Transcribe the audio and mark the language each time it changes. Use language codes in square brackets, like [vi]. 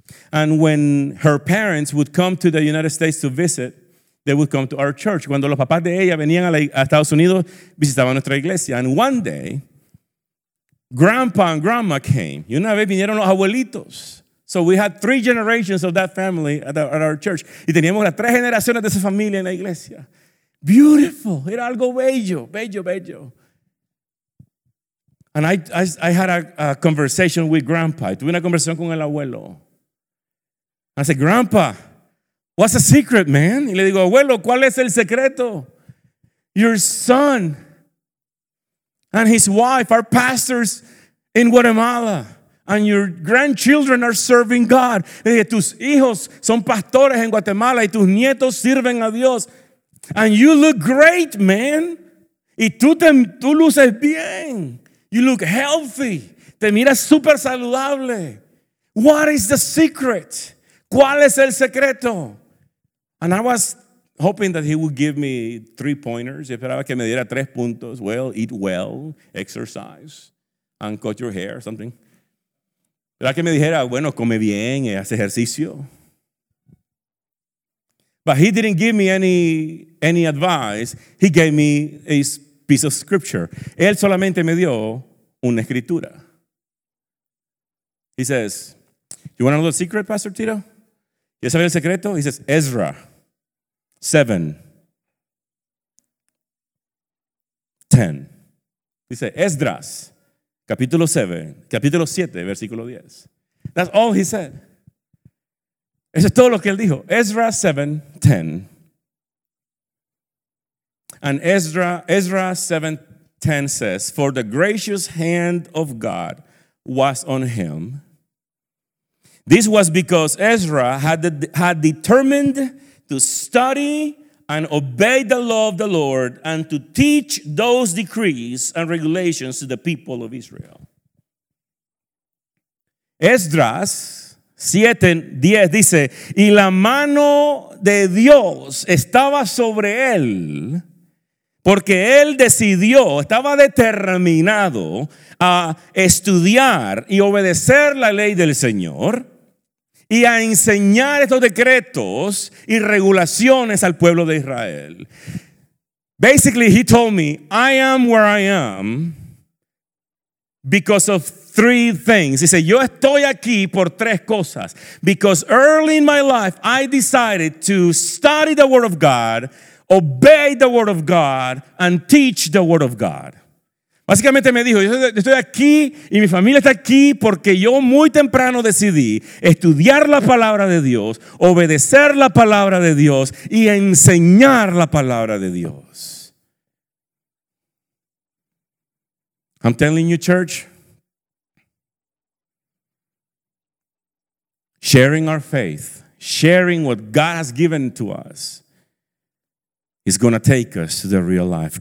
[en] And when her parents would come to the United States to visit, they would come to our church. [es] Cuando los papás de ella venían a Estados Unidos, visitaban nuestra iglesia. [en] And one day, grandpa and grandma came. [es] Y una vez vinieron los abuelitos. [en] So we had three generations of that family at our church. [es] Y teníamos las tres generaciones de esa familia en la iglesia. [en] Beautiful. [es] Era algo bello, bello, bello. [en] And I had a conversation with grandpa. [es] Tuve una conversación con el abuelo. [en] I said, grandpa, what's the secret, man? [es] Y le digo, abuelo, ¿cuál es el secreto? [en] Your son and his wife are pastors in Guatemala. And your grandchildren are serving God. [es] Le dije, tus hijos son pastores en Guatemala y tus nietos sirven a Dios. [en] And you look great, man. [es] Y tú luces bien. [en] You look healthy. [es] Te miras super saludable. [en] What is the secret? [es] ¿Cuál es el secreto? [en] And I was hoping that he would give me three pointers. [es] Yo esperaba que me diera tres puntos. [en] Well, eat well, exercise, and cut your hair or something. [es] Era que me dijera, bueno, come bien, haz ejercicio. [en] But he didn't give me any advice. He gave me a piece of scripture. [es] Él solamente me dio una escritura. [en] He says, you want to know the secret, Pastor Tito? [es] ¿Ya sabes el secreto? [en] He says, [es] Ezra 7:10. Dice, Esdras, capítulo 7, versículo 10. [en] That's all he said. [es] Eso es todo lo que él dijo. [en] Ezra 7:10. And Ezra 7:10 says, for the gracious hand of God was on him. This was because Ezra had determined to study and obey the law of the Lord and to teach those decrees and regulations to the people of Israel. [es] Esdras 7:10 dice, y la mano de Dios estaba sobre él, porque él decidió, estaba determinado a estudiar y obedecer la ley del Señor y a enseñar estos decretos y regulaciones al pueblo de Israel. [en] Basically, he told me, I am where I am because of three things. [es] He said, yo estoy aquí por tres cosas. [en] Because early in my life, I decided to study the word of God, obey the word of God, and teach the word of God. [es] Básicamente me dijo, yo estoy aquí y mi familia está aquí porque yo muy temprano decidí estudiar la palabra de Dios, obedecer la palabra de Dios y enseñar la palabra de Dios. [en] I'm telling you, church, sharing our faith, sharing what God has given to us, is going to take us to the real life.